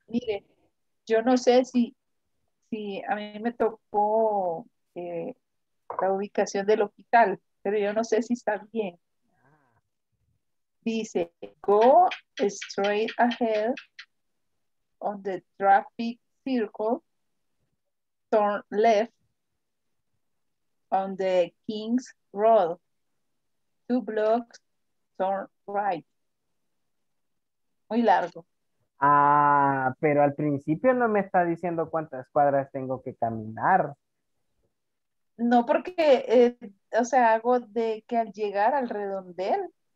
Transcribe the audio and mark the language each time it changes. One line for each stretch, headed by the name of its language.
Spanish: Mire, yo no sé si a mí me tocó la ubicación del hospital, pero yo no sé si está bien. Dice,
English: go straight ahead on the traffic circle, turn left on the King's Road, two blocks, turn right.
Spanish: Muy largo. Pero al principio no me está diciendo cuántas cuadras tengo que caminar. No, porque, o sea, hago de que al llegar al redondel.